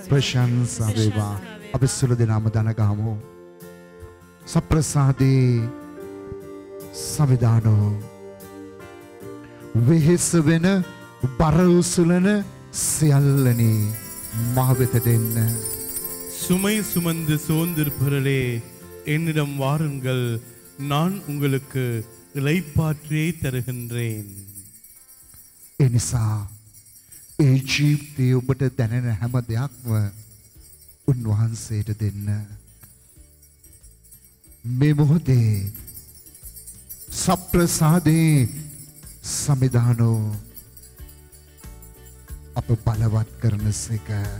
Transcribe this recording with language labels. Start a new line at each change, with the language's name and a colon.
Sinhala: ප්‍රශංසා වේවා. අපි සුළු දෙනාම දනගහමු. සප්‍රසාදේ සවිදානෝ වෙහෙස වෙන බර උසුලන සියල්ලනේ මා වෙත දෙන්න.
Tamil: සුමයි සුමන්ද සෝන්දර් පරලේ என்னிடம் வாருங்கள், நான் உங்களுக்கு இளைப்பாற்றியை தருகின்றேன்.
Sinhala: එනිසා ඒ ජීවිතයේ ඔබට දැනෙන හැම දෙයක්ම උන්වහන්සේට දෙන්න. මේ මොහොතේ සප්‍රසාදේ සමිදානෝ අප බලවත් කරන සේක.